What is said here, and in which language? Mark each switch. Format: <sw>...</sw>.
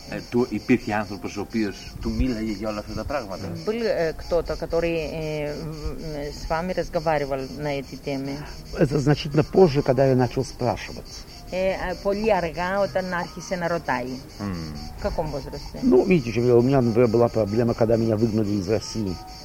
<el>Του υπήρχε άνθρωπος ο οποίος του μίλαγε για όλα αυτά τα πράγματα.</el> <ru>Был кто-то, который с вами разговаривал на эти темы. Это значительно позже, когда я начал спрашивать.</ru> <el>Πολύ αργά όταν άρχισε να ρωτάει.</el> <ru>Каком возрасте? Ну, видите, у меня, например, была проблема, когда меня выгнали из России.</ru>